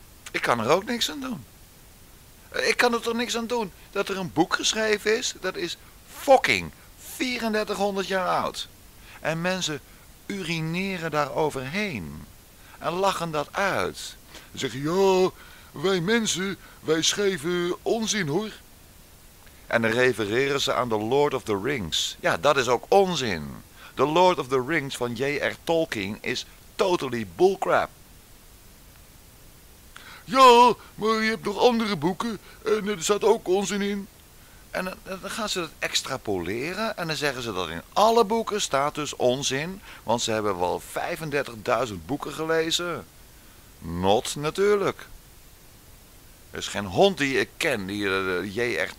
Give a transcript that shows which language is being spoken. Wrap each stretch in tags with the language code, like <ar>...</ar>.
<nl>Ik kan er ook niks aan doen. Ik kan er toch niks aan doen dat er een boek geschreven is, dat is fucking 3400 jaar oud. En mensen urineren daar overheen en lachen dat uit. Ze zeggen, ja, wij mensen, wij schrijven onzin, hoor. En dan refereren ze aan The Lord of the Rings. Ja, dat is ook onzin. The Lord of the Rings van J.R.</nl> <en>Tolkien is totally bullcrap.</en> <nl>Ja, maar je hebt nog andere boeken en er staat ook onzin in. En dan gaan ze dat extrapoleren en dan zeggen ze dat in alle boeken staat dus onzin, want ze hebben wel 35.000 boeken gelezen. Not natuurlijk. Er is geen hond die ik ken die J.R.</nl>